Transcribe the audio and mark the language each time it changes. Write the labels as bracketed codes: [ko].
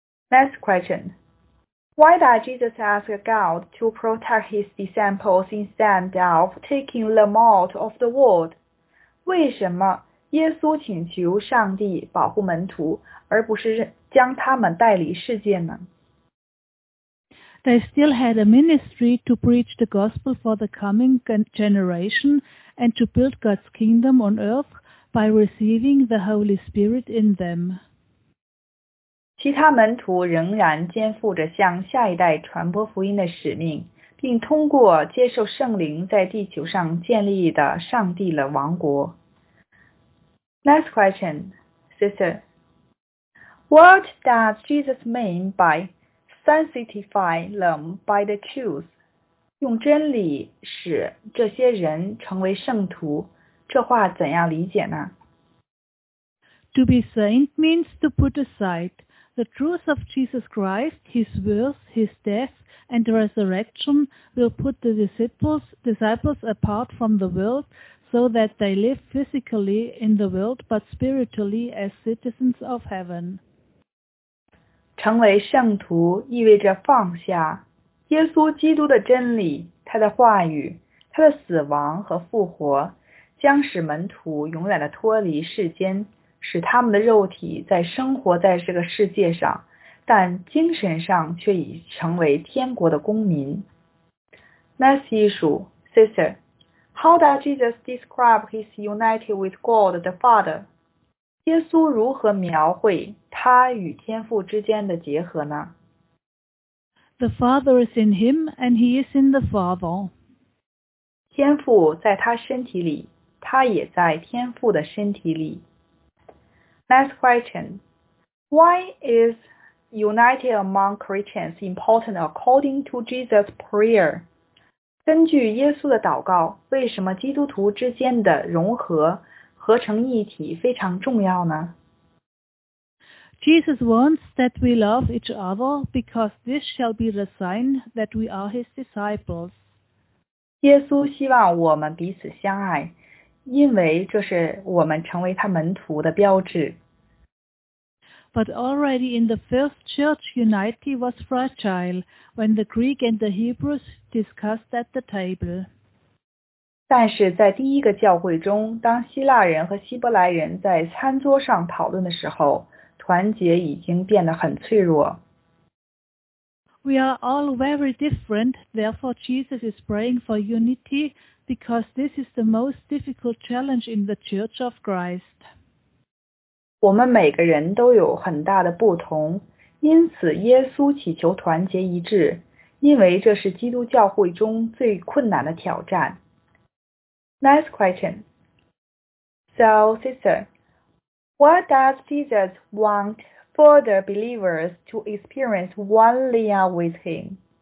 [en] Next question. Why did Jesus ask God to protect his disciples instead of taking them out of the world? [zh] 为什么耶稣请求上帝保护门徒，而不是将他们带离世界呢？ [en] They still had a ministry to preach the gospel for the coming generation and to build God's kingdom on earth. By receiving the Holy Spirit in them. [zh] 其他门徒仍然肩负着向下一代传播福音的使命，并通过接受圣灵在地球上建立的上帝的王国。 [en] Next question, sister. What does Jesus mean by sanctify them by the truth? [zh] 用真理使这些人成为圣徒。这话怎样理解呢？ [en] To be saint means to put aside the truth of Jesus Christ, his words, his death and resurrection will put the disciples apart from the world so that they live physically in the world but spiritually as citizens of heaven. [zh] 成为圣徒意味着放下耶稣基督的真理，他的话语，他的死亡和复活，将使门徒永远地脱离世间，使他们的肉体在生活在这个世界上，但精神上却已成为天国的公民。 [en] Next issue, sister, how does Jesus describe his united with God the Father? [zh] 耶稣如何描绘他与天父之间的结合呢？ [en] The Father is in him and he is in the Father. [zh] 天父在他身体里，他也在天父的身体里。 [en] Next question. Why is united among Christians important according to Jesus' prayer? [zh] 根据耶稣的祷告，为什么基督徒之间的融合、合成一体非常重要呢？ [en] Jesus wants that we love each other because this shall be the sign that we are his disciples. [zh] 耶稣希望我们彼此相爱，因为这是我们成为他门徒的标志。 [en] But already in the first church, unity was fragile when the Greek and the Hebrews discussed at the table. [zh] 但是在第一个教会中，当希腊人和希伯来人在餐桌上讨论的时候，团结已经变得很脆弱。 [en] We are all very different, therefore Jesus is praying for unity because this is the most difficult challenge in the Church of Christ. [zh] 我们每个人都有很大的不同，因此耶稣祈求团结一致，因为这是基督教会中最困难的挑战。 [en] Next question. So, sister, what does Jesus want for the believers to experience one Lia with him?